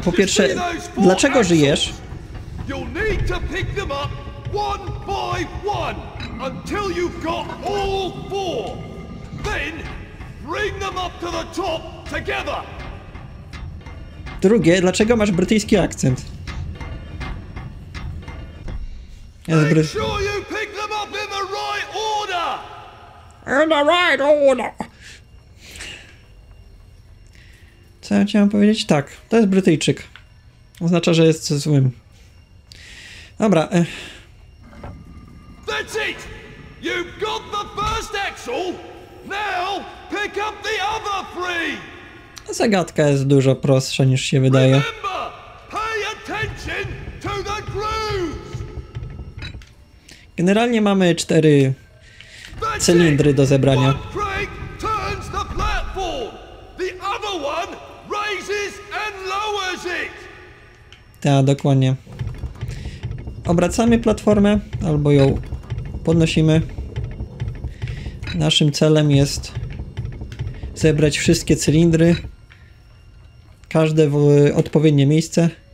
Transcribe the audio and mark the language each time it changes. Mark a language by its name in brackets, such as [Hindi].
[Polish] Po pierwsze, dlaczego żyjesz? [English] You'll need to pick them up one by one. Until you've got all four, then bring them up to the top together. [Polish] Drugie, dlaczego masz brytyjski akcent? [English] Make sure you pick them up in the right order. In the right order. [Polish] Co ja chciałem powiedzieć? Tak, to jest Brytyjczyk. Oznacza, że jest złym. Dobra. [English] That's it. You've got the first axle. Now pick up the other three. [Polish] Zagadka jest dużo prostsza niż się wydaje. [English] Remember, pay attention to the grooves. [Polish] Generalnie mamy cztery cylindry do zebrania. [English] One crank turns the platform. The other one raises and lowers it. [Polish] Tak, dokładnie. Obracamy platformę albo ją podnosimy. Naszym celem jest zebrać wszystkie cylindry, każde w odpowiednie miejsce.